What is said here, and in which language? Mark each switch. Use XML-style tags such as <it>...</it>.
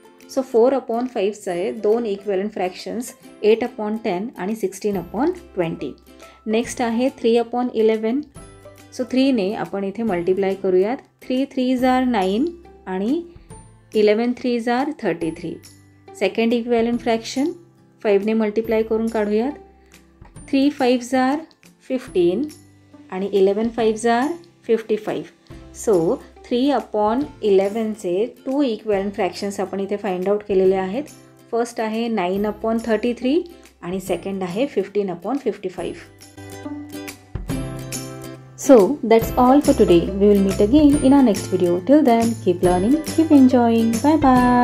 <mr>So 4/5 2 equivalent fractions 8/10 आणि 16/20. Next आहे 3/11. So 3 आपण इथे मल्टिप्लाय करूयात. 3, 3 जा 9 आणि 11, 3 जा 33. सेकंड इक्विवेलेंट फ्रॅक्शन 5 ने मल्टीप्लाय करून काढूयात.</mr> <en>3 5s are 15</en> <mr>आणि</mr> <en>11 5s are 55.</en> <mr>सो 3 upon 11 चे 2 इक्विवेलेंट फ्रॅक्शन्स आपण इथे फाइंड आउट केलेले आहेत. फर्स्ट आहे 9 upon 33 आणि सेकंड आहे 15 upon 55.</mr> <en>So that's all for today. We will meet again in our next video. Till then, keep learning, keep enjoying. Bye bye.</en>